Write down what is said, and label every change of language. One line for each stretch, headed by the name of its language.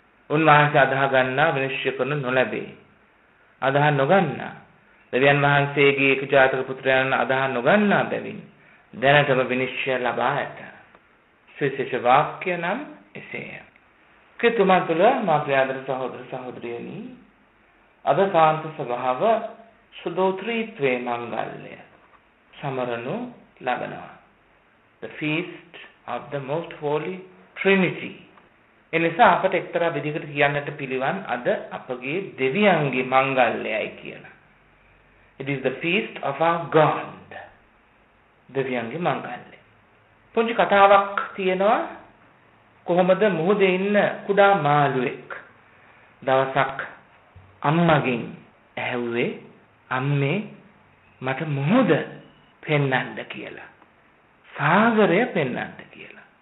Sinhala: උන්වහන්සේ අදහා ගන්නා විනිශ්චය කරනු නොලැබේ. අදහා නොගන්නා දෙවියන් වහන්සේගේ එක ජාතක පුත්‍රයාණන් අදහා නොගන්නා බැවින් දැනටම විනිශ්චය ලබා ඇත. සුවිශේෂ වාක්‍ය නම් එසේය. කෘතුමා තුළ මාගේ ආදර සහෝදර සහෝදරියනි, අද කාන්ත ස්වභාව සුදෝත්‍රීත්වේ මංගල්‍ය සමරණු ලබනවා.
English: The feast of the most holy trinity.
Sinhala: එනිසා අපට එක්තරා විදිහකට කියන්නට පිළිවන් අද අපගේ දෙවියන්ගේ මංගල්‍යයි කියලා.
English: It is the feast of our God.
Sinhala: දෙවියන්ගේ මංගල්‍ය. පොඩි කතාවක් තියෙනවා. කොහොමද මුහුදේ ඉන්න කුඩා මාළුවෙක් දවසක් අම්මගෙන් ඇහුවේ, අම්මේ මට මුහුද පෙන්වන්න කියලා, සාගරය පෙන්වන්න කියලා.